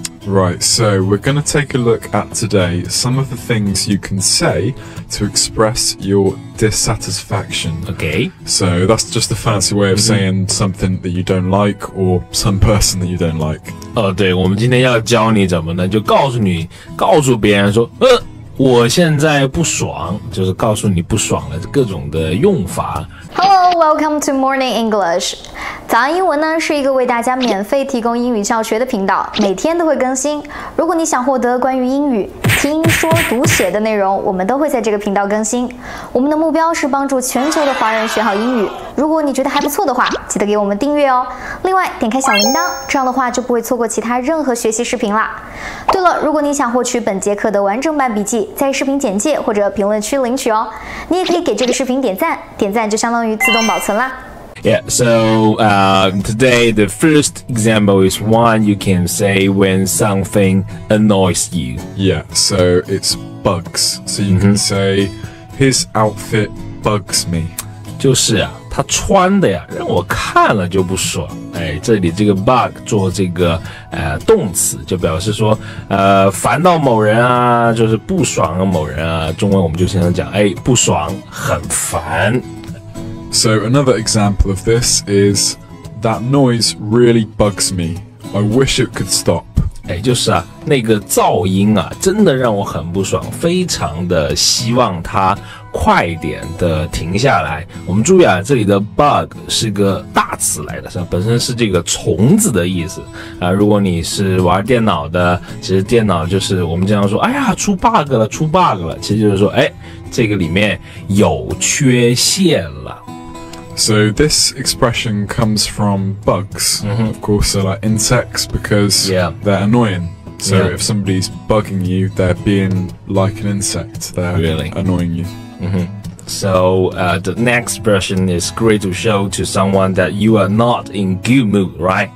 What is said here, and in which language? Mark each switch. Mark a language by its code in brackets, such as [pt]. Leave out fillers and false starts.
[en] Right, so we're going to take a look at today some of the things you can say to express your dissatisfaction. Okay. So that's just a fancy way of saying something that you don't like or some person that you don't like. [zh] 对，我们今天要教你怎么呢？就告诉别人说，我现在不爽，就是告诉你不爽了，各种的用法。 [en] Hello, welcome to Morning English. [zh] 早安英文呢是一个为大家免费提供英语教学的频道，每天都会更新。如果你想获得关于英语听说读写的内容，我们都会在这个频道更新。我们的目标是帮助全球的华人学好英语。如果你觉得还不错的话，记得给我们订阅哦。另外，点开小铃铛，这样的话就不会错过其他任何学习视频啦。对了，如果你想获取本节课的完整版笔记，在视频简介或者评论区领取哦。你也可以给这个视频点赞，点赞就相当于自动保存啦。 [en] Yeah, so, today the first example is one you can say when something annoys you. Yeah, so it's bugs. So you can say, his outfit bugs me. [zh] 就是啊，他穿的呀，让我看了就不爽。哎，这里这个 bug 做这个动词，就表示说烦到某人啊，就是不爽啊某人啊。中文我们就经常讲，哎，不爽，很烦。 [en] So another example of this is that noise really bugs me. I wish it could stop. [zh] 就是啊，那个噪音啊，真的让我很不爽，非常的希望它快点的停下来。我们注意啊，这里的 bug 是个大词来的，本身是这个虫子的意思啊。如果你是玩电脑的，其实电脑就是我们经常说，哎呀，出 bug 了，出 bug 了，其实就是说，哎，这个里面有缺陷了。 [en] So this expression comes from bugs, of course, they're like insects because they're annoying. So if somebody's bugging you, they're being like an insect, they're annoying you. So the next expression is great to show to someone that you are not in good mood, right?